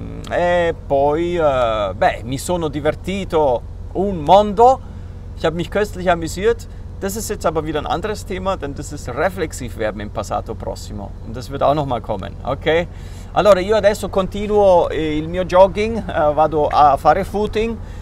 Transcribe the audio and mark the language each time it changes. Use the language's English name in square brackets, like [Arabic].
[Italian] E poi, beh, mi sono divertito un mondo. [German] Ich habe mich köstlich amüsiert. Das ist jetzt aber wieder ein anderes Thema, denn das ist reflexiv werden im passato prossimo. Und das wird auch nochmal kommen, ok? [Italian] Allora, io adesso continuo il mio jogging, vado a fare footing.